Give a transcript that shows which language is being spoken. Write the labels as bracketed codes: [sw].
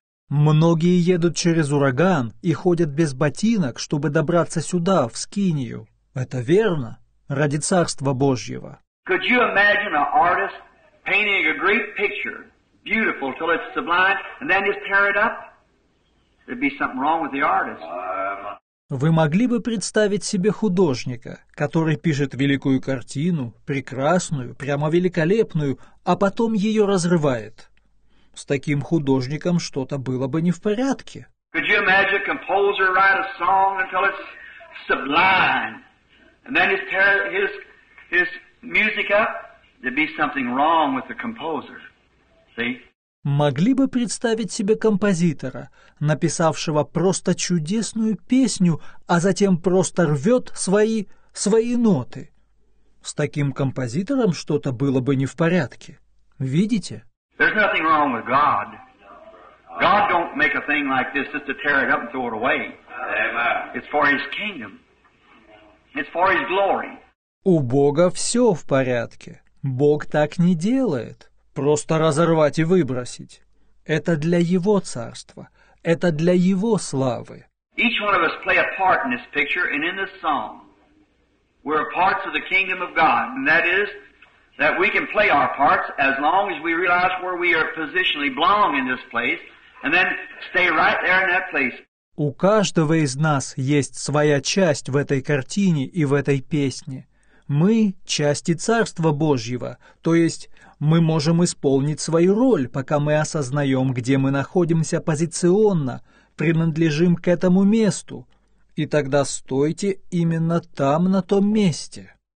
[ru] Многие едут через ураган и ходят без ботинок, чтобы добраться сюда, в скинию. Это верно, ради Царства Божьего. [en] Could you imagine an artist painting a great picture, beautiful till it's sublime, and then just tear it up? There'd be something wrong with the artist. [ru] Вы могли бы представить себе художника, который пишет великую картину, прекрасную, прямо великолепную, а потом ее разрывает? С таким художником что-то было бы не в порядке. [en] Could you imagine a composer write a song until it's sublime? And then his music up, there'd be something wrong with the composer. See? [ru] Могли бы представить себе композитора, написавшего просто чудесную песню, а затем просто рвет свои ноты. С таким композитором что-то было бы не в порядке. Видите? [en] There's nothing wrong with God. God don't make a thing like this just to tear it up and throw it away. It's for his kingdom. It's for his glory. [ru] У Бога все в порядке. Бог так не делает. Просто разорвать и выбросить. Это для Его царства. Это для Его славы. [en] Each one of us play a part in this picture and in this song. We're parts of the kingdom of God. And that is that we can play our parts as long as we realize where we are positionally belong in this place and then stay right there in that place. [ru] У каждого из нас есть своя часть в этой картине и в этой песне. Мы – части Царства Божьего, то есть мы можем исполнить свою роль, пока мы осознаем, где мы находимся позиционно, принадлежим к этому месту, и тогда стойте именно там, на том месте.